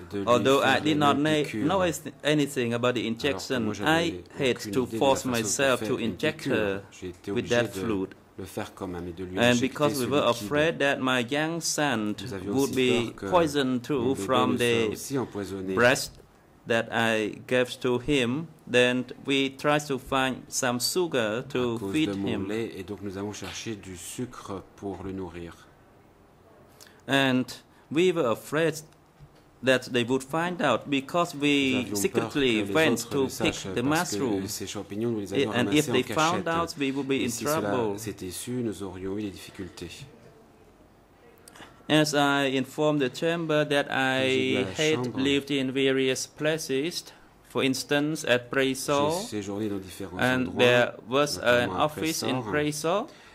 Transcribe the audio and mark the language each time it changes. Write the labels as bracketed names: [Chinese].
[English] Although I did not know anything about the injection, I had to force myself to inject her with that fluid. [French] Le faire comme un, de lui [English] and because we were afraid that my young son would be poisoned too from the breast that I gave to him, then we tried to find some sugar to feed him. [French] Lait, et donc nous avons cherché du sucre pour le nourrir. [English] And we were afraid that they would find out because we secretly went to pick the mushroom. [French] Ces champignons, nous les avions en cachette. [English] And if they found out, we would be in trouble. [French] Si cela s'était su, nous aurions eu des difficultés. [English] As I informed the chamber that I had lived in various places, for instance, at Pressor, and there was an office in Pressor,